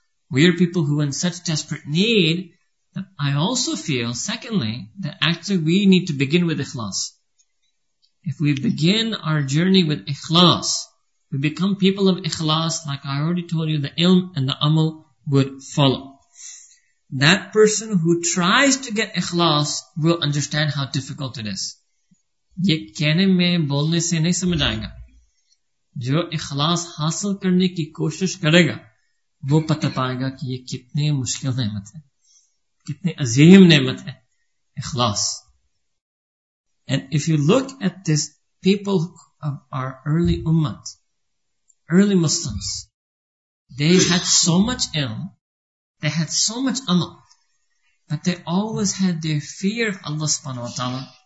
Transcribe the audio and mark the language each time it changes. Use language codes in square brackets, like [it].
[en] We are people who are in such desperate need that I also feel, secondly, that actually we need to begin with ikhlas. If we begin our journey with ikhlas, we become people of ikhlas, like I already told you, the ilm and the amal would follow. That person who tries to get ikhlas will understand how difficult it is. [ur] یہ کہنے میں بولنے سے نہیں سمجھ آئے گا. Jo ikhlas hasil karne ki koshish karega, وہ پتہ پائے گا کہ یہ کتنی مشکل نعمت ہے, کتنی عظیم نعمت ہے اخلاص. [en] And if you look at this people of our early ummah, early Muslims, they had so much ilm, they had so much amal, but they always had their fear of Allah subhanahu wa ta'ala.